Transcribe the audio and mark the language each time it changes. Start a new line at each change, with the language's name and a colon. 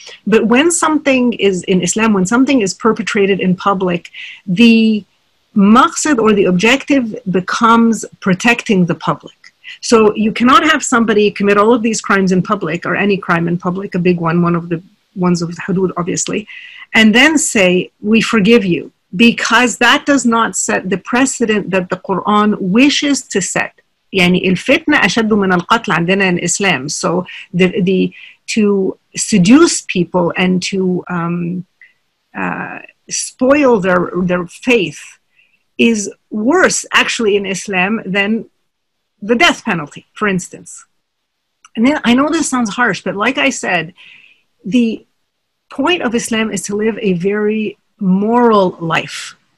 English: But when something is in Islam, when something is perpetrated in public, the maqsid or the objective becomes protecting the public. So you cannot have somebody commit all of these crimes in public, or any crime in public, a big one of the ones of Hudud, obviously, and then say, we forgive you, because that does not set the precedent that the Quran wishes to set.
Arabic: يعني الفتنة أشد من القتل عندنا
English: in Islam. So the to seduce people and to spoil their faith is worse actually in Islam than the death penalty, for instance. And then I know this sounds harsh, but like I said, the point of Islam is to live a very moral life.